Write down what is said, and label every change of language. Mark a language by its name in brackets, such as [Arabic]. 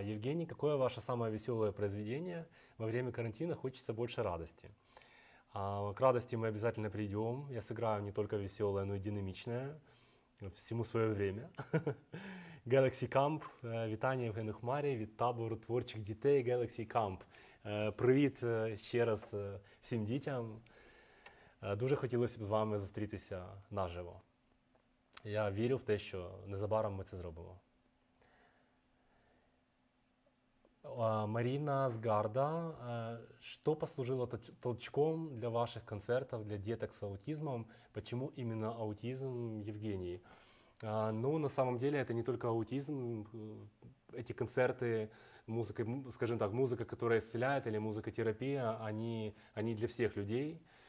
[Russian] Евгений, какое ваше самое веселое произведение? Во время карантина хочется больше радости. К радости мы обязательно придем. Я сыграю не только веселое, но и динамичное. Всему свое время. Galaxy Camp. [Ukrainian] Вітання, Евгений Хмарі, від табору творчих дітей Galaxy Camp. Привіт ще раз всім дітям. Дуже хотілося б з вами зустрітися наживо. Я вірю в те, що незабаром ми це зробимо. [Russian] Марина Сгарда, что послужило толчком для ваших концертов для деток с аутизмом? Почему именно аутизм, Евгений? Ну, на самом деле, это не только аутизм. Эти концерты, музыка, скажем так, музыка, которая исцеляет, или музыкотерапия, они для всех людей.